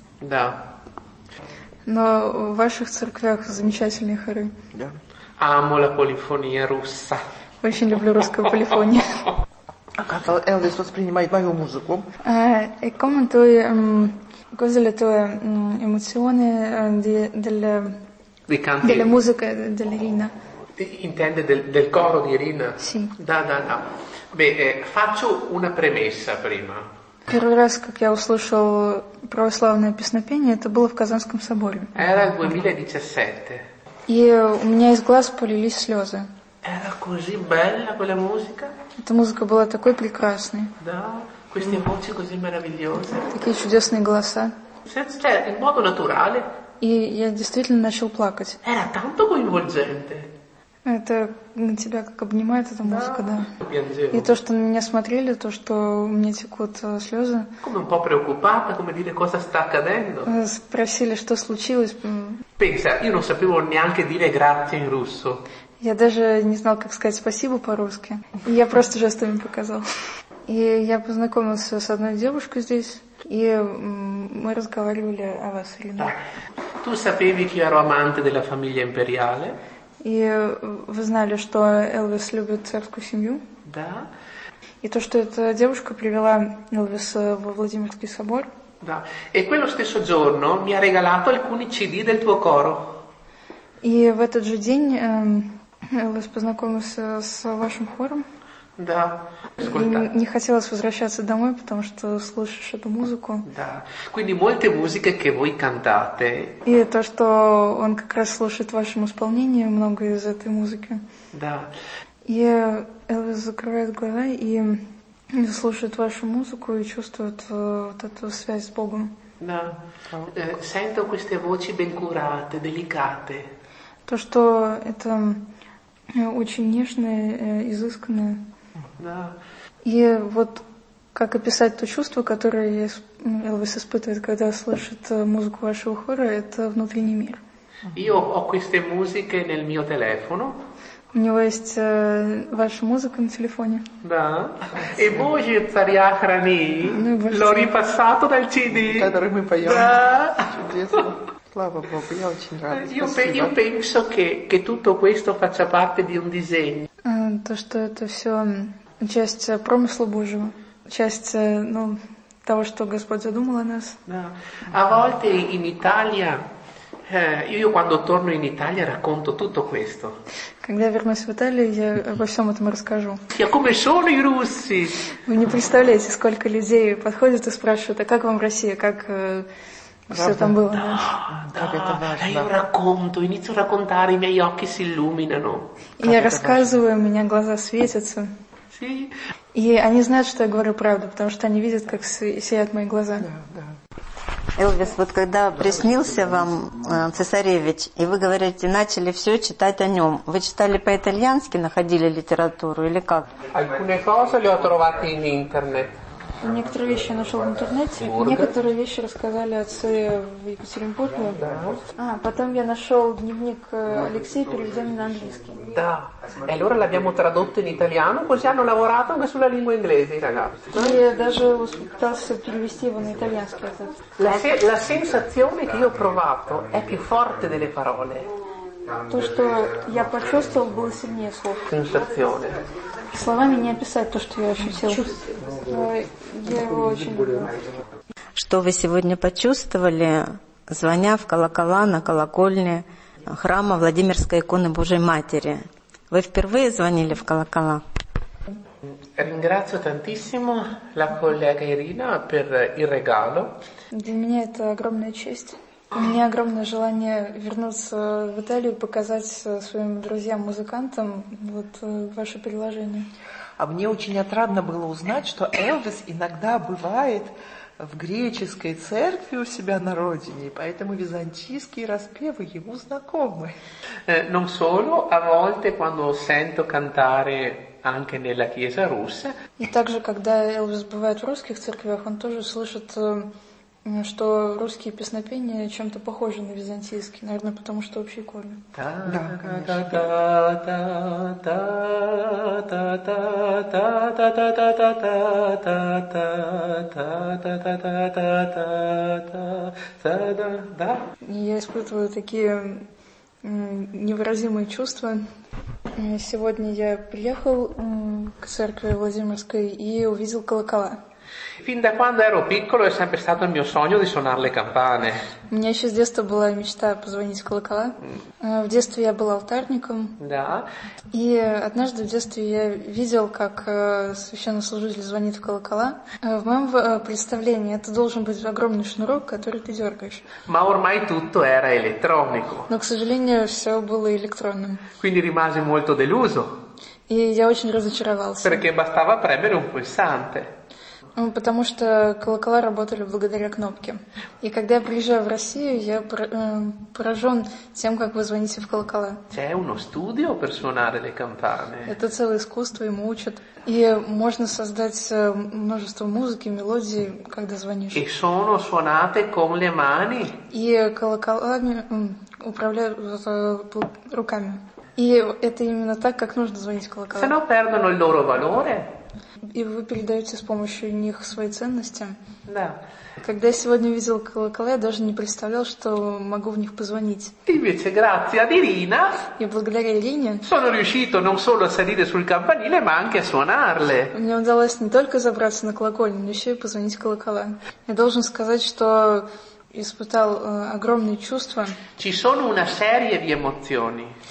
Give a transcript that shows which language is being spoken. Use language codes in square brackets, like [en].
[ru] Да. Но в ваших церквях замечательные хоры. Да. [it] Amo la polifonia russa. [ru] Очень люблю русскую полифонию. А как Элвис воспринимает мою музыку? И как это, [it] cosa le tue emozioni della musica dell'Irina? Intende del coro di Irina? Sì. Da. Beh, faccio una premessa prima. [ru] Первый раз, как я услышал православное песнопение, это было в Казанском соборе. [it] Era il 2017. [ru] И у меня из глаз полились слезы. [it] Era così bella quella musica? [ru] Эта музыка была такой прекрасной. Да, [it] queste voci così meravigliose. [ru] Такие чудесные голоса. [it] Cioè, in modo naturale. [ru] И я действительно начал плакать. [it] Era tanto coinvolgente. [ru] Это на тебя как обнимает эта музыка, да. [it] Piangevo. [ru] И то, что на меня смотрели, то, что у меня текут слезы. [it] Come un po' preoccupata, come dire cosa sta accadendo. [ru] Спросили, что случилось. [it] Pensa, io non sapevo neanche dire grazie in russo. [ru] Я даже не знал, как сказать спасибо по-русски. Я просто жестами показал. И я познакомился с одной девушкой здесь, и мы разговаривали о вас, Ирина. [it] Tu sapevi che io ero amante della famiglia imperiale? [ru] И вы знали, что Элвис любит царскую семью? Да. И то, что эта девушка привела Элвиса во Владимирский собор? Да. [it] E quello stesso giorno mi ha regalato alcuni CD del tuo coro. [ru] И в этот же день Элвис познакомился с вашим хором? Да. Не хотелось возвращаться домой, потому что слушаешь эту музыку. Да. [it] Quindi molte musiche che voi cantate. [ru] И то, что он как раз слушает ваше исполнение много из этой музыки. Да. И Элвис закрывает глаза и слушает вашу музыку и чувствует вот эту связь с Богом. Да. [it] Sento queste voci ben curate, delicate. [ru] То, что это очень нежное, изысканное. Да. И вот как описать то чувство, которое Элвис испытывает, когда слышит музыку вашего хора, это внутренний мир. [it] Io ho queste musiche nel mio telefono. [ru] У него есть ваша музыка на телефоне. Да. И Боже, царя храни, [it] l'ho ripassato dal CD. [ru] Который мы поем. Да. Чудесно. Слава Богу, я очень рада. [it] Io penso che tutto questo faccia parte di un disegno. [ru] То, что это все часть промысла Божьего, часть того, что Господь задумал о нас. Да. [it] A volte in Italia, io quando torno in Italia racconto tutto questo. [ru] Когда я вернусь в Италию, я обо всем этом расскажу. [it] Я come sono i russi. [ru] Вы не представляете, сколько людей подходят и спрашивают, а как вам Россия, как... Все там было. Да. [it] Я racconto, inizio a raccontare, i miei occhi si illuminano. [ru] Я рассказываю, у меня глаза светятся. [it] Sì. [ru] И они знают, что я говорю правду, потому что они видят, как сияют мои глаза. Да, да. Элвис, вот когда приснился вам цесаревич, и вы говорите, начали все читать о нем, вы читали по-итальянски, находили литературу или как? [it] Alcune cose le ho trovate in internet. [ru] Некоторые вещи я нашел в интернете. Бурга. Некоторые вещи рассказали отцы в Екатеринбурге. Да. А потом я нашел дневник Алексея, переведенный на английский. Да. [it] E allora l'abbiamo tradotto in italiano, così hanno lavorato anche sulla lingua inglese, ragazzi. [ru] Я даже пытался перевести его на итальянский. [it] La sensazione che io ho provato è più forte delle parole. [ru] То, что я почувствовал, было сильнее слов. [it] Sensazione. [ru] Словами не описать то, что я ощутил. Чувствую. Я его очень люблю. что вы сегодня почувствовали, звоня в колокола на колокольне храма Владимирской иконы Божией Матери? Вы впервые звонили в колокола? [it] Ringrazio tantissimo la collega Irina per il regalo. [ru] Для меня это огромная честь. У меня огромное желание вернуться в Италию, показать своим друзьям-музыкантам вот ваше приложение. А мне очень отрадно было узнать, что Элвис иногда бывает в греческой церкви у себя на родине, поэтому византийские распевы ему знакомы. [it] Non solo, a volte quando sento cantare anche nella chiesa russa. [ru] И также, когда Элвис бывает в русских церквях, он тоже слышит, что русские песнопения чем-то похожи на византийские, наверное, потому что общий корень. Да, конечно. Да. Я испытываю такие невыразимые чувства. Сегодня я приехал к церкви Владимирской и увидел колокола. [it] Fin da quando ero piccolo è sempre stato il mio sogno di suonare le campane. [ru] У меня еще с детства была мечта позвонить в колокола. В детстве я была алтарником. Да. И однажды в детстве я видел, как священнослужитель звонит в колокола. В моем представлении это должен быть огромный шнурок, который ты дергаешь. [it] Ma ormai tutto era elettronico. [ru] Но, к сожалению, все было электронным. [it] Quindi rimasi molto deluso. [ru] И я очень разочаровался. [it] Perché bastava premere un pulsante. [ru] Потому что колокола работали благодаря кнопке. И когда я приезжаю в Россию, я поражен тем, как вы звоните в колокола. [it] C'è uno studio per suonare le campane. [ru] Это целое искусство, ему учат. И можно создать множество музыки, мелодий, когда звонишь. [it] E sono suonate con le mani. [ru] И колоколами управляют руками. И это именно так, как нужно звонить в колокола. [it] Se no perdono il loro valore. [ru] И вы передаете с помощью них свои ценности. Да. Когда я сегодня увидел колокола, я даже не представлял, что могу в них позвонить. [it] Invece, grazie ad Irina, [ru] и благодаря Ирине, [it] sono riuscito non solo a salire sul campanile, ma anche a suonarle. [ru] Мне удалось не только забраться на колокольню, но еще и позвонить в колокола. Я должен сказать, что испытал огромные чувства. [it] Ci sono una serie di emozioni.